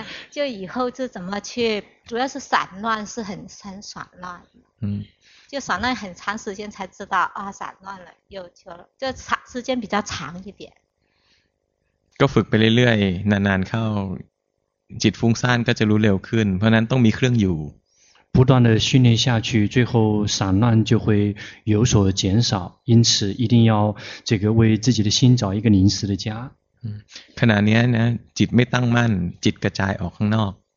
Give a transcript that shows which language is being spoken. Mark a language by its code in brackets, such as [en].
[zh] 就以后就怎么去主要是散乱是很散乱就散乱很长时间才知道啊散乱了又求了就长时间比较长一点 [th] ก็ฝึกไปเรื่อยๆนานๆเข้าจิตฟุ้งซ่านก็จะรู้เร็วขึ้นเพราะนั้นต้องมีเครื่องอยู่ [zh] 不断的训练下去最后散乱就会有所减少因此一定要这个为自己的心找一个临时的家 [th] ขณะนี้นะจิตไม่ตั้งมั่นจิตกระจายออกข้างนอก